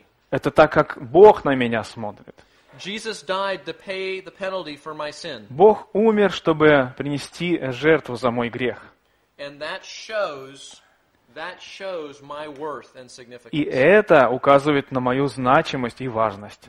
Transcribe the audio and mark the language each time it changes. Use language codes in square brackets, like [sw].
[ru] Это так, как Бог на меня смотрит. [en] Jesus died to pay the penalty for my sin. [ru] Бог умер, чтобы принести жертву за мой грех. [en] And that shows my worth and significance. [ru] И это указывает на мою значимость и важность.